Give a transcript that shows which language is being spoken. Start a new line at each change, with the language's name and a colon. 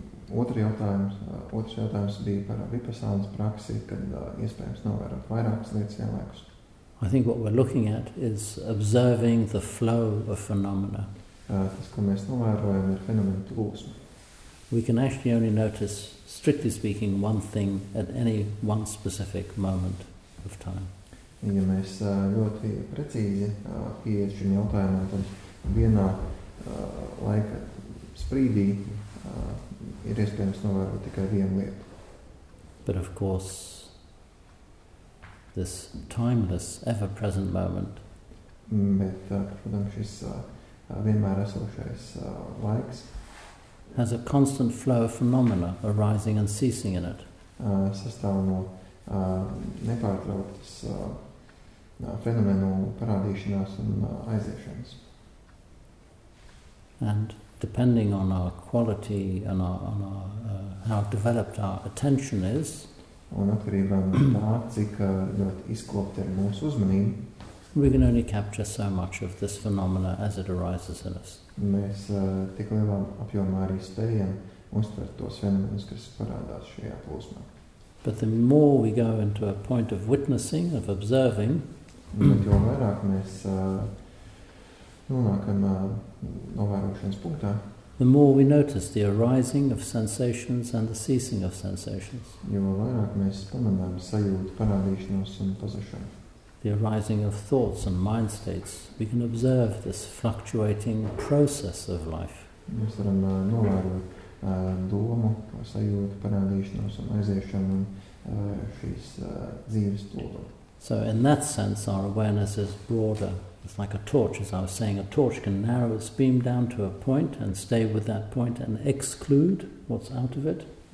Latvian: Otrs jautājums bija par vipassānas praksi, kad iespējams novērot vairākas lietas vienlaikus.
English: I think what we're looking at is observing the flow of phenomena.
Latvian: Tas, ko mēs novērojam, ir fenomenu plūsma.
English: We can actually only notice, strictly speaking, one thing at any one specific moment of time.
Latvian: Ja mēs ļoti precīzi pieiet šim jautājumam, tad vienā laika sprīdī ir iespējams novērot tikai vienu lietu.
English: But of course, this timeless, ever-present moment.
Latvian: Bet, protams, šis vienmēr esošais laiks
English: has a constant flow of phenomena arising and ceasing in it.
Latvian: Sastāv no nepārtrauktas fenomenu parādīšanās un aiziešanas.
English: And depending on our quality and on our how developed our attention is,
Latvian: un atkarībā no tā, cik ļoti izkopta ir mūsu uzmanība,
English: we can only capture so much of this phenomena as it arises in us.
Latvian: Mēs tik lielā apjomā arī spējam uztvert tos fenomenus, kas parādās šajā plūsmā.
English: But the more we go into a point of witnessing, of observing,
Latvian: bet jo vairāk mēs nonākam novērošanas punktā,
English: the more we notice the arising of sensations and the ceasing of sensations.
Latvian: Jo vairāk mēs pamanām sajūtu parādīšanos un pazušanu.
English: The arising of thoughts and mind states, we can observe this fluctuating process of life.
Latvian: Mēs varam novērot domu, sajūtu, parādīšanos un aiziešanu un šīs dzīves plūdumu.
English: So in that sense our awareness is broader. It's like a torch, as I was saying, a torch can narrow its beam down to a point and stay with that point and exclude what's out of it.